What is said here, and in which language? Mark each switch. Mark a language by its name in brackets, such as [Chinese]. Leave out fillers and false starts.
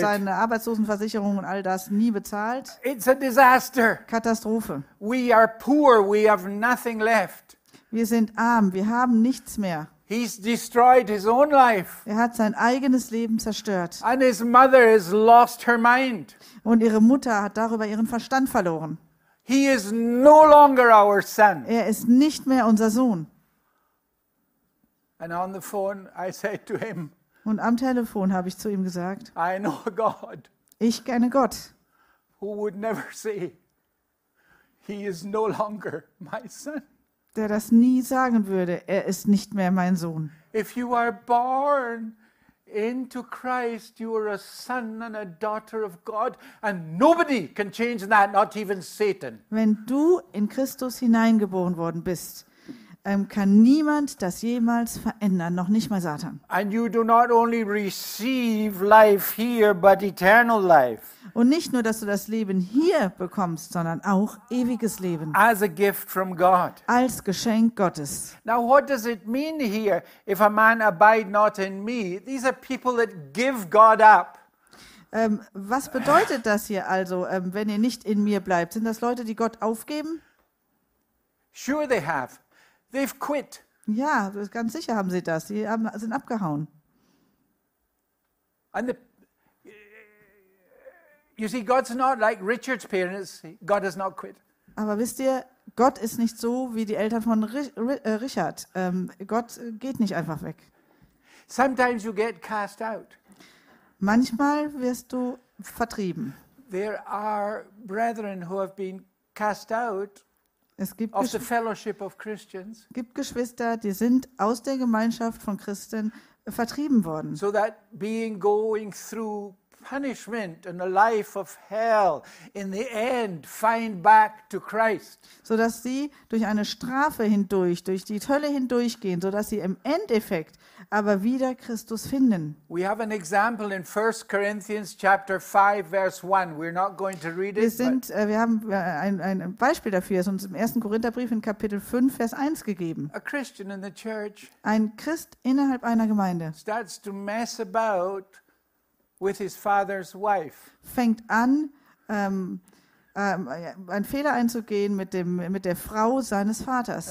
[German] Seine Arbeitslosenversicherung und all das nie bezahlt. [English] It's a disaster. [German] Katastrophe. [English] We are poor, we have nothing left. [German] Wir sind arm, wir haben nichts mehr. [English] He's destroyed his own life. [German] Er hat sein eigenes Leben zerstört. [English] And his mother has lost her mind. [German] Und ihre Mutter hat darüber ihren Verstand verloren. [English] He is no longer our son. [German] Er ist nicht mehr unser Sohn. [English] And on the phone I said to him, [German] und am Telefon habe ich zu ihm gesagt, [English] I know God. [German] Ich kenne Gott. [English] Who would never say, he is no longer my son. [German] Der das nie sagen würde, er ist nicht mehr mein Sohn. [English] If you are born into Christ, you are a son and a daughter of God, and nobody can change that, not even Satan. [German] Wenn du in Christus hineingeboren worden bist, kann niemand das jemals verändern, noch nicht mal Satan. [English] And you do not only receive life here, but eternal life. [German] Und nicht nur, dass du das Leben hier bekommst, sondern auch ewiges Leben. [English] As a gift from God. [German] Als Geschenk Gottes. [English] Now what does it mean here, if a man abide not in me? These are people that give God up. [German] Was bedeutet das hier also, wenn ihr nicht in mir bleibt? Sind das Leute, die Gott aufgeben? [English] Sure they have. They've quit. [German] Ja, ganz sicher haben sie das. Sie sind abgehauen. [English] And you see, God's not like Richard's parents. God has not quit. [German] Aber wisst ihr, Gott ist nicht so wie die Eltern von Richard. Gott geht nicht einfach weg. [English] Sometimes you get cast out. [German] Manchmal wirst du vertrieben. [English] There are brethren who have been cast out. [German] Es gibt, [English] of the fellowship of Christians, [German] gibt Geschwister, die sind aus der Gemeinschaft von Christen vertrieben worden. [English] So that being going through punishment and a life of hell in the end find back to Christ. [German] So dass sie durch eine Strafe hindurch, durch die Hölle hindurchgehen, so dass sie im Endeffekt aber wieder Christus finden. [English] We have an example in 1 Corinthians chapter 5 verse 1. We're not going to read it. [German] Wir haben ein Beispiel dafür, es uns im 1. Korintherbrief in Kapitel 5 Vers 1 gegeben. [English] A Christian in the church. [German] Ein Christ innerhalb einer Gemeinde. [English] Starts to mess about with his father's wife. [German] Fängt an, einen Fehler einzugehen mit der Frau seines Vaters.